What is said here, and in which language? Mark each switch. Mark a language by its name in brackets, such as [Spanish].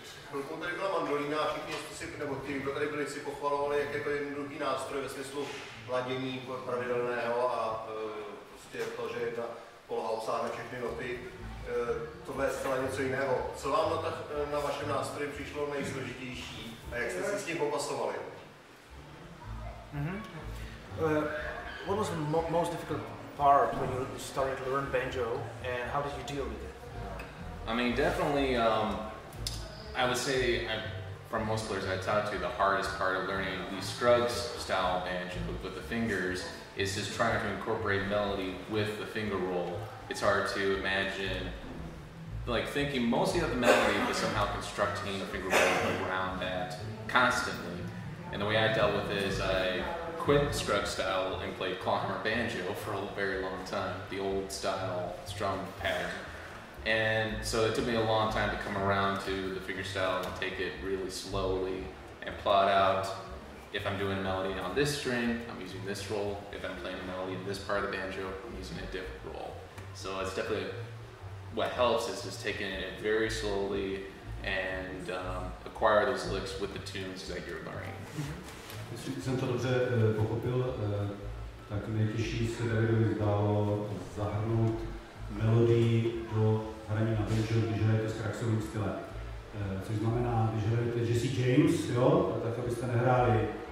[Czech] Chvilkou tady byla mandolína a všichni, kdo tady byli, si pochvalovali, jak je to jednoduchý nástroj ve smyslu ladění pravidelného a prostě to, že je ta poloha obsáhne všechny noty. Tohle je zcela něco jiného. Co vám na vašem nástroji přišlo nejsložitější a jak jste si s tím popasovali? [English] What was the most difficult part when you started to learn banjo, and how did you deal with it? I mean, definitely, I would say, from most players I talked to, the hardest part of learning the Scruggs-style banjo with the fingers is just trying to incorporate melody with the finger roll. It's hard to imagine, like, thinking mostly of the melody, but somehow constructing a finger roll around that constantly. And the way I dealt with it is I quit Scruggs style and played clawhammer banjo for a very long time, the old style strum pattern. And so it took me a long time to come around to the finger style and take it really slowly and plot out if I'm doing a melody on this string, I'm using this roll. If I'm playing a melody in this part of the banjo, I'm using a different roll. So it's definitely, what helps is just taking it very slowly and acquire those licks with the tunes that you're learning. [Czech] Jestli jsem to dobře pochopil, tak nejtěžší se Davidovi zdálo zahrnout melodii do hraní na banjo, když hrajete s kraxovým stylem. Což znamená, když hrajete Jesse James, jo, tak abyste nehráli.